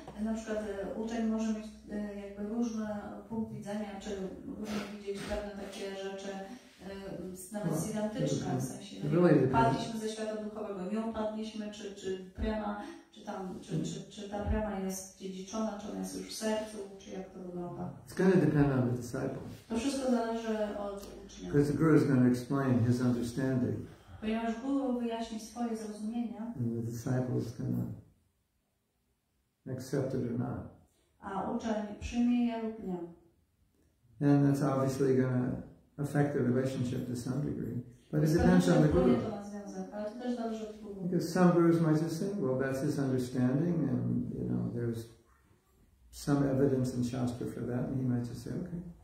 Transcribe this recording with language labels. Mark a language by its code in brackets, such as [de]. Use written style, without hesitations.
[pl] Co w kwestii tego, że na przykład uczeń może mieć jakby różne punkt widzenia, czy różne widzieć pewne takie rzeczy nawet siddhantyczne, w sensie padliśmy ze świata duchowego, nie upadliśmy, czy prema, czy ta prema jest dziedziczona, czy ona jest już w sercu, czy jak to wygląda. [en] It's going to depend on the disciple. [pl] To wszystko zależy od ucznia. [en] Because the guru is going to explain his understanding. [pl] Ponieważ guru wyjaśni swoje zrozumienia. [en] And the disciple is going to accept it or not. [pl] A uczeń przyjmie je lub nie. [en] And that's obviously going to affect the relationship to some degree. But it depends on the guru. Because some gurus might just say, well, that's his understanding, and you know, there's some evidence in Shastra for that, and he might just say, okay.